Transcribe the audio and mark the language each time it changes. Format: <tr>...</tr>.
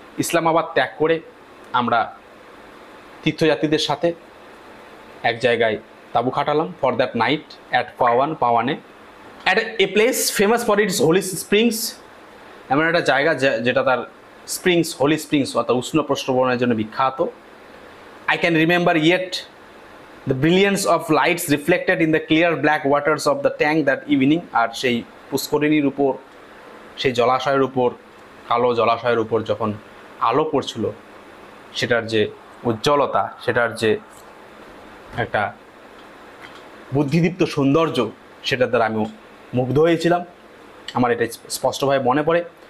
<bn>ইসলামাবাদ ত্যাগ করে আমরা তীর্থযাত্রীদের সাথে এক জায়গায় তাবু খাটালাম</bn> <en>for that night at পাওয়ানে, at a place famous for its holy springs,</en> <bn>এমন একটা জায়গা যেটা তার স্প্রিংস, হোলি স্প্রিংস অর্থাৎ উষ্ণ প্রস্রবণের জন্য বিখ্যাত।</bn> <en>I can remember yet The brilliance of lights reflected in the clear black waters of the tank that evening.</en> <bn>আর সেই পুষ্করিণীর উপর, সেই জলাশয়ের উপর, কালো জলাশয়ের উপর যখন আলো পড়ছিল, সেটার যে উজ্জ্বলতা, সেটার যে একটা বুদ্ধিদীপ্ত সৌন্দর্য, সেটার দ্বারা আমি মুগ্ধ হয়েছিলাম, আমার এটা স্পষ্টভাবে মনে পড়ে।</bn>